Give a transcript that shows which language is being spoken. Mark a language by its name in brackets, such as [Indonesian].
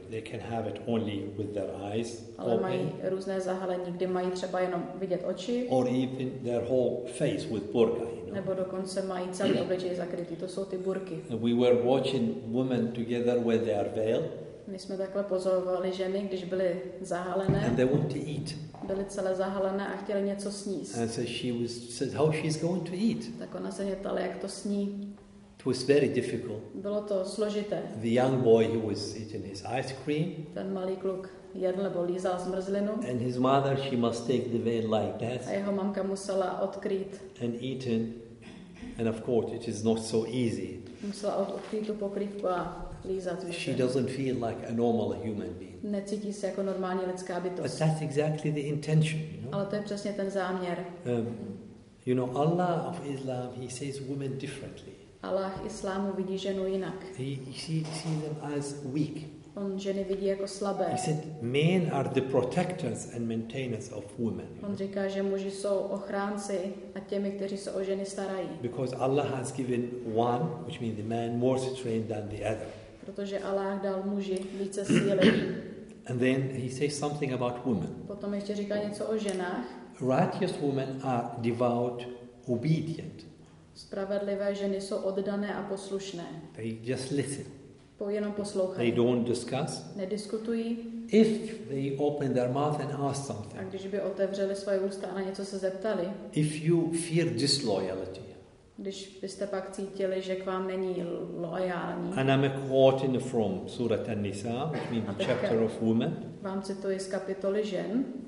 [English] They can have it only with their eyes. Ale open. [Czech] Mají různé zahalení, kdy mají třeba jenom vidět oči. [English] Or even their whole face with burqa. You know? [Czech] Nebo dokonce mají celý obličej zakrytý. To jsou ty burky. [English] And we were watching women together where they are veiled. [Czech] My jsme takhle pozorovali ženy, když byly zahalené. [English] And they want to eat. [Czech] Byly celé zahalené a chtěly něco sníst. [English] And so she was said how she's going to eat. [Czech] Tak ona se mě ptala, jak to sní. [English] It was very difficult. [Czech] Bylo to složité. [English] The young boy who was eating his ice cream. [Czech] Ten malý kluk jedl nebo lízal zmrzlinu. [English] And his mother, she must take the veil like that. [Czech] A jeho mamka musela odkrýt. [English] And eaten. And of course, it is not so easy. [Czech] Musela odkrýt tu pokrývku a lízat. [English] She doesn't feel like a normal human being. [Czech] Necítí se jako normální lidská bytost. [English] But that's exactly the intention, you know? [Czech] Ale to je přesně ten záměr. [English] You know, Allah of Islam, he sees women differently. [Czech] Allah islámu vidí ženu jinak. [English] He sees them as weak. [Czech] On ženy vidí jako slabé. [English] He said, men are the protectors and maintainers of women. [Czech] On říká, že muži jsou ochránci a těmi, kteří se o ženy starají. [English] Because Allah has given one, which means the man, more strength than the other. [Czech] Protože Allah dal muži více síly. [English] And then he says something about women. [Czech] Potom ještě říká něco o ženách. [English] Righteous women are devout, obedient. [Czech] Spravedlivé ženy jsou oddané a poslušné. [English] They just listen. [Czech] Jenom poslouchají. [English] They don't discuss. [Czech] Nediskutují. [English] If they open their mouth and ask something. [Czech] A když by otevřeli svoje ústa a na něco se zeptali. [English] If you fear disloyalty. [Czech] Když byste pak cítili, že k vám není loajální. [English] And I'm quoting from Surah An-Nisa, which means the chapter of women. [Czech] Vám cituji z kapitoly žen.